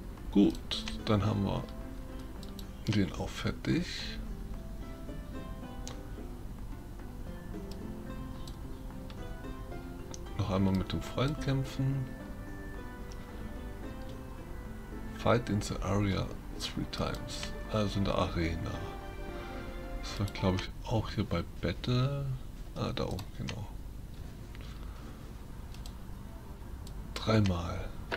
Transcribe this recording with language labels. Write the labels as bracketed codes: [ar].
[de] Gut, dann haben wir den auch fertig. Noch einmal mit dem Freund kämpfen. [en] Fight in the area 3 times, [de] also in der Arena. Das war glaube ich auch hier bei Battle. Ah, da oben, genau. 3 mal.